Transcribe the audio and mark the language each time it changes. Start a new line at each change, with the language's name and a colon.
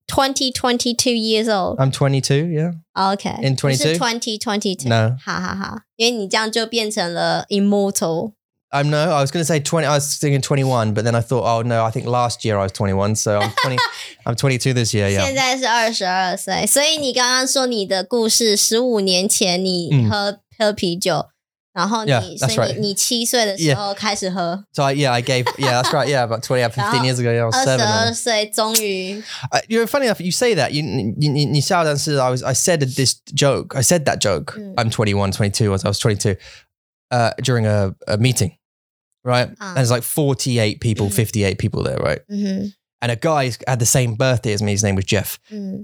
English: 22 years old. I'm 22, yeah. Oh, okay. In 22?
Chinese: 2022. No. 因为你这样就变成了
English: immortal. I was going to say 20, I was thinking 21, but then I thought, oh no, I think last year I was 21, so I'm 20, I'm 22 this year, yeah.
Chinese: 现在是22岁, 所以你刚刚说你的故事, 15年前你喝啤酒, 然后你七岁的时候开始喝。So
English: about 20, 15 years ago, yeah, I was
Chinese: 22岁, 7. 22岁终于。
English: You're funny enough, you say that, you
Chinese: 笑但是
English: I said that joke, I'm 21, 22, I was 22, during a meeting, right? And there's like 48 people, 58 people there, right? Mm-hmm. And a guy had the same birthday as me, his name was Jeff. Mm.